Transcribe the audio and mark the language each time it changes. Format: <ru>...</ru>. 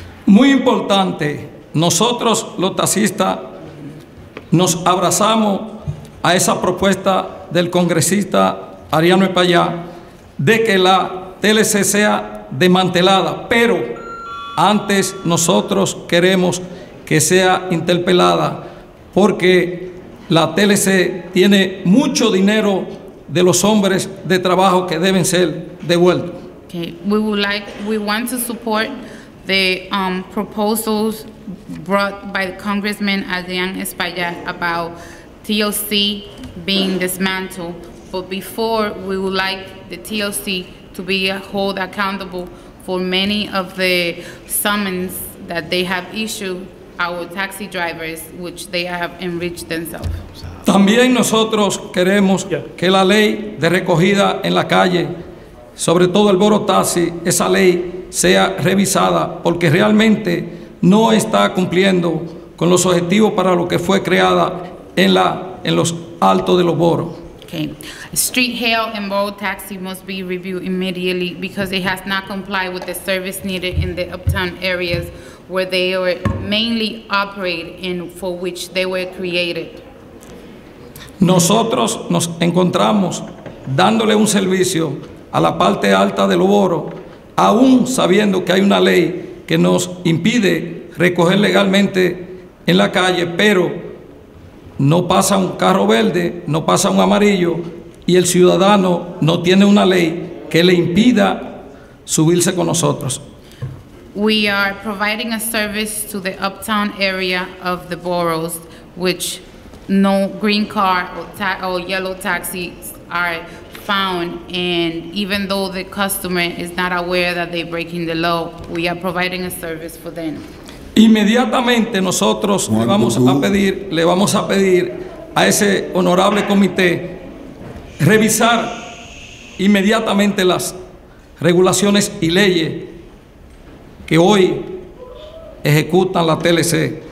<es>Muy importante, nosotros los taxistas nos abrazamos a esa propuesta del congresista Ariano Epayá de que la TLC sea desmantelada, pero antes nosotros queremos que sea interpelada porque la TLC tiene mucho dinero de los hombres de trabajo que deben ser devueltos.</es> <en>Okay. We would like, we want to support the proposals brought by the Congressman Adrián Espaillat about TLC being dismantled. But before, we would like the TLC to be held accountable for many of the summons that they have issued our taxi drivers, which they have enriched themselves.</en> <es>También nosotros queremos que la ley de recogida en la calle, sobre todo el Boro Taxi, esa ley sea revisada porque realmente no está cumpliendo con los objetivos para lo que fue creada en la en los altos de los boros.</es> <en>Okay. Street hail and Boro Taxi must be reviewed immediately because it has not complied with the service needed in the uptown areas where they were mainly operate and for which they were created.</en> <es>Nosotros nos encontramos dándole un servicio a la parte alta de los boros, aún sabiendo que hay una ley que nos impide recoger legalmente en la calle, pero no pasa un carro verde, no pasa un amarillo, y el ciudadano no tiene una ley que le impida subirse con nosotros.</es> <en>We are providing a service to the uptown area of the boroughs, which no green car or yellow taxis are found, and even though the customer is not aware that they're breaking the law, we are providing a service for them.</en> <es>Inmediatamente nosotros le vamos a pedir a ese honorable comité revisar inmediatamente las regulaciones y leyes que hoy ejecutan la TLC.</es>